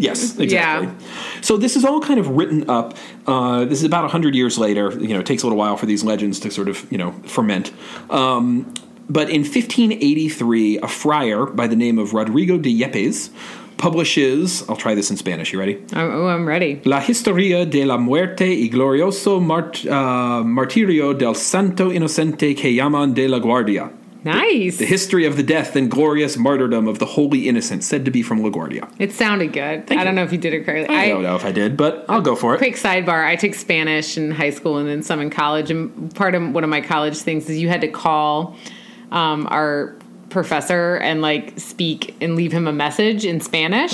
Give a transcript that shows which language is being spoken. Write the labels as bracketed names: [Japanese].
[English] Yes, exactly. Yeah. So this is all kind of written up. This is about 100 years later. You know, it takes a little while for these legends to sort of, you know, ferment. But in 1583, a friar by the name of Rodrigo de Yepes publishes, I'll try this in Spanish, you ready? Oh, I'm ready. [Spanish] La Historia de la Muerte y Glorioso Martirio del Santo Inocente que llaman de la Guardia. Nice. [English] The history of the death and glorious martyrdom of the holy innocent, said to be from LaGuardia. It sounded good. Thank you. Don't know if you did it correctly. I don't know if I did, but I'll go for it. Quick sidebar. I took Spanish in high school and then some in college. And part of one of my college things is you had to call our professor and like speak and leave him a message in Spanish.